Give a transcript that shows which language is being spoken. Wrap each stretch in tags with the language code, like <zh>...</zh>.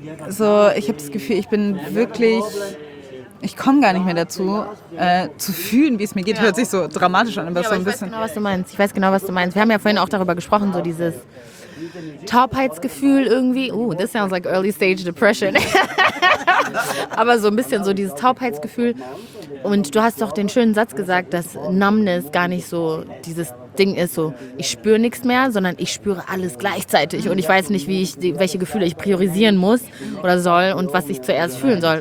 <de>Ich habe das Gefühl, ich bin wirklich... Ich komme gar nicht mehr dazu, zu fühlen, wie es mir geht. Hört sich so dramatisch an, aber so ein bisschen. Ich weiß genau, was du meinst. Wir haben ja vorhin auch darüber gesprochen, so dieses Taubheitsgefühl irgendwie.</de> <en>This sounds like early stage depression.</en> <de>Aber so ein bisschen so dieses Taubheitsgefühl. Und du hast doch den schönen Satz gesagt, dass Numbness gar nicht so dieses Ding ist, so ich spüre nichts mehr, sondern ich spüre alles gleichzeitig und ich weiß nicht, welche Gefühle ich priorisieren muss oder soll und was ich zuerst fühlen soll.</de>